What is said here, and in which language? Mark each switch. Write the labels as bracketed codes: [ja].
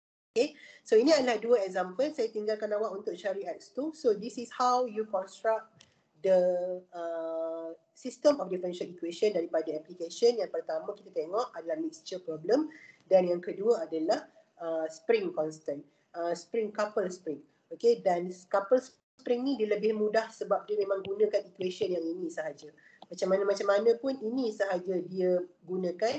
[ms] Okay, so ini adalah dua example. Saya tinggalkan awak untuk cari x2. [en] So this is how you construct the system of differential equation daripada application. [ms] Yang pertama kita tengok adalah mixture problem. Dan yang kedua adalah spring constant. Spring, couple spring. Okay, dan couple spring ni dia lebih mudah sebab dia memang gunakan equation yang ini sahaja. Macam mana pun ini sahaja dia gunakan.